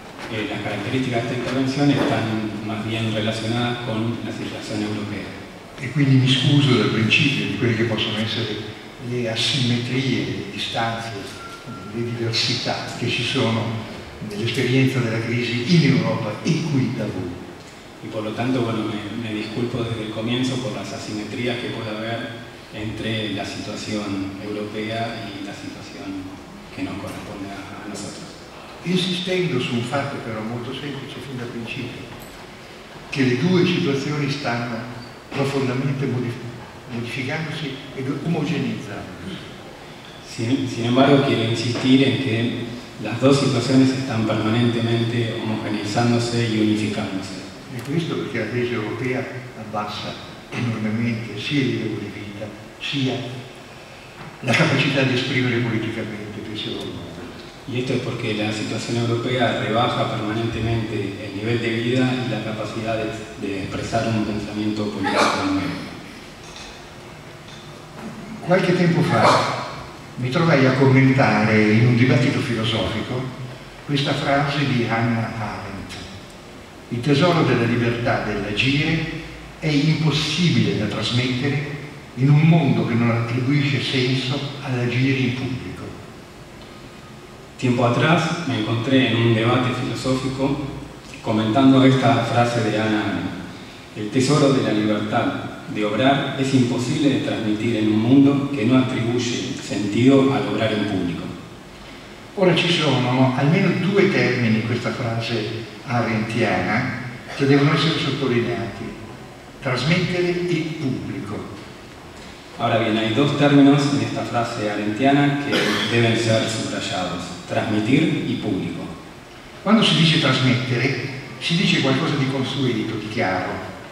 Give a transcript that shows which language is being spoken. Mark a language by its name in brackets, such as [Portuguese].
[Italian] E la caratteristica di questa intervenzione sta [Spanish] más bien [Italian] relacionata con la situazione europea. E quindi mi scuso dal principio di quelle che possono essere le asimmetrie, le distanze, le diversità che ci sono nell'esperienza della crisi in Europa e qui da voi. [Spanish] E por lo tanto, bueno, me disculpo desde el comienzo por las asimetrías que puede haber entre la situación europea y la situación que nos corresponde a nosotros. [Italian] Insistendo su un fatto però molto semplice fin dal principio, che le due situazioni stanno profondamente modificandosi ed omogenizzandosi. [Spanish] Sin embargo, quiero insistir en que las dos situaciones están permanentemente homogeneizándose y unificándose. [Italian] E questo perché la crisi europea abbassa enormemente sia il livello di vita, sia la capacità di esprimere politicamente, pensiamo al mondo. [Spanish] Y esto es porque la situación europea rebaja permanentemente el nivel de vida y la capacidad de expresar un pensamiento político nuevo. [Italian] Qualche tempo fa mi trovai a commentare in un dibattito filosofico questa frase di Hannah Arendt: il tesoro della libertà dell'agire è impossibile da trasmettere in un mondo che non attribuisce senso all'agire in pubblico. [Spanish] Tiempo atrás me encontré en un debate filosófico comentando esta frase de Hannah Arendt: el tesoro de la libertad de obrar es imposible de transmitir en un mundo que no atribuye sentido al obrar en público. [Italian] Ora ci sono almeno due termini in questa frase arendtiana che devono essere sottolineati: trasmettere e pubblico. [Spanish] Ahora bien, hay dos términos en esta frase arendtiana que deben ser subrayados: transmitir y público. [Italian] Quando si dice trasmettere, si dice qualcosa di consueto, di chiaro.